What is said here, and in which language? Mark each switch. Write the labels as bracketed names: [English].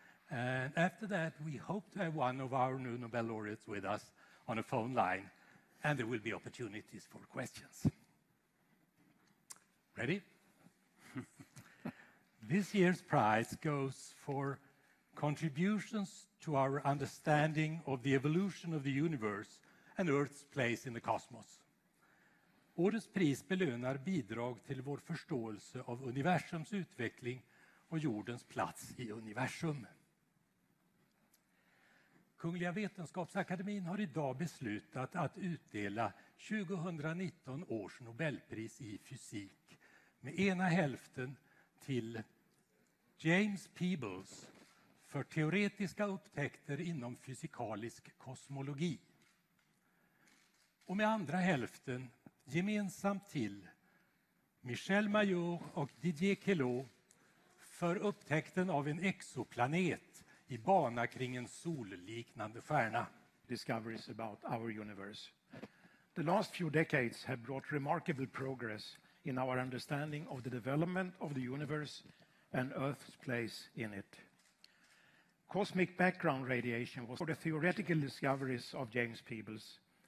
[English] And after that, we hope to have one of our new Nobel laureates with us on a phone line, and there will be opportunities for questions. Ready? This year's prize goes for contributions to our understanding of the evolution of the universe and Earth's place in the cosmos. [Swedish] Årets pris belönar bidrag till vår förståelse av universums utveckling och jordens plats i universum. Kungliga Vetenskapsakademien har idag beslutat att utdela 2019 års Nobelpris i fysik med ena hälften till James Peebles för teoretiska upptäckter inom fysikalisk kosmologi. Och med andra hälften gemensamt till Michel Mayor och Didier Queloz för upptäckten av en exoplanet i bana kring en solliknande stjärna. [English] Discoveries about our universe. The last few decades have brought remarkable progress in our understanding of the development of the universe and Earth's place in it. Cosmic background radiation was for the theoretical discoveries of James Peebles.